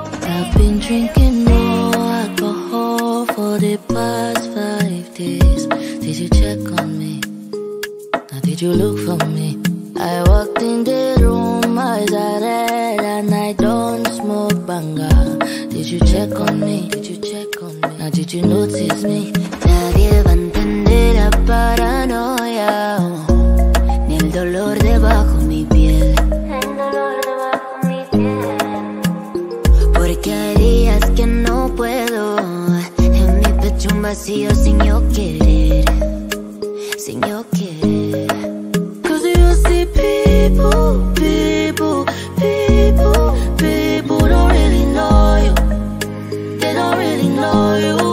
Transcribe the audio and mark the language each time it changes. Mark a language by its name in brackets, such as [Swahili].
[English] I've been drinking more alcohol for the past 5 days. Did you check on me? Now did you look for me? I walked in the room, eyes are red, and I don't smoke banga. Did you check on me? Did you check on me? Now did you notice me? [Spanish] Nadie va a entender la paranoia, ni el dolor debajo mi piel. El dolor debajo mi piel. Porque hay días que no puedo, en mi pecho un vacío sin yo querer. Sin yo querer. [English] Cause you see people, people, people, people don't really know you. They don't really know you.